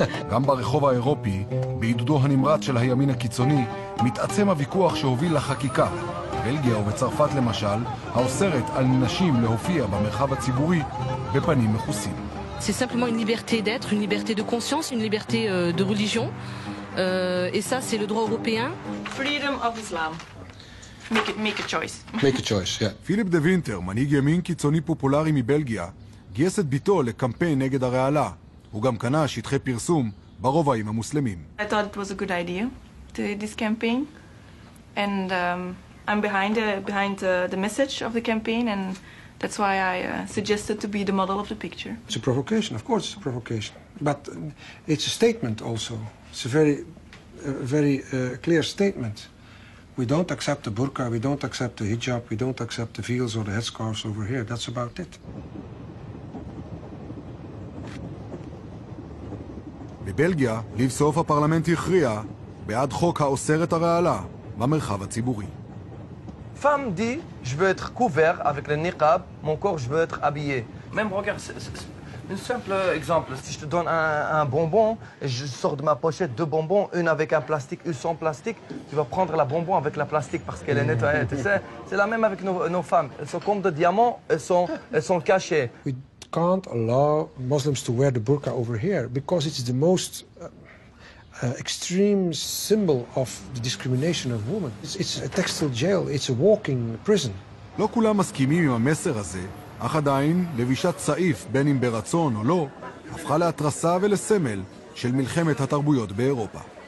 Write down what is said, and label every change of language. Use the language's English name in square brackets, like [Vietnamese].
[Hebrew] גם ברחוב האירופי, בעידודו הנמרץ של הימין הקיצוני, מתעצם הוויכוח שהוביל לחקיקה. בלגיה ובצרפת למשל, האוסרת על נשים להופיע במרחב הציבורי בפנים מכוסים. [French] C'est simplement une liberté d'être, une liberté de conscience, une liberté de religion. Et ça, c'est le droit européen. [English] Freedom of Islam. Make a choice, yeah. [Hebrew] פיליפ דה וינטר, מנהיג ימין קיצוני פופולרי מבלגיה, גייס את ביתו לקמפיין נגד הרעלה. הוא גם קנה שטחי פרסום ברובעים המוסלמים. [English] I thought it was a good idea to this campaign. And I'm behind the message of the campaign, and that's why I suggested to be the model of the picture. It's a provocation, of course it's a provocation. But it's a statement also. It's a very clear statement. We don't accept the burqa, we don't accept the hijab, we don't accept the veils or the headscarves over here. That's about it. [Hebrew] בבלגיה, לבסוף הפרלמנט הכריע בעד חוק האוסר את הרעלה במרחב הציבורי. [French] Femme dit, je veux être couvert avec le niqab, mon corps je veux être habillé. Même regarde, c'est un simple exemple. Si je te donne un bonbon, et je sors de ma pochette deux bonbons, une avec un plastique, une sans plastique, tu vas prendre la bonbon avec la plastique parce qu'elle est nettoyée. Tu sais, c'est la même avec nos femmes. Elles sont comme des diamants, elles sont cachées. [English] We can't allow Muslims to wear the burqa over here because it's the most extreme symbol of the discrimination of women. It's a textile jail, it's a walking prison. [Hebrew] לא כולם מסכימים עם המסר הזה, אך עדיין לבישת סעיף, בין אם ברצון או לא, הפכה להתרסה ולסמל של מלחמת התרבויות באירופה.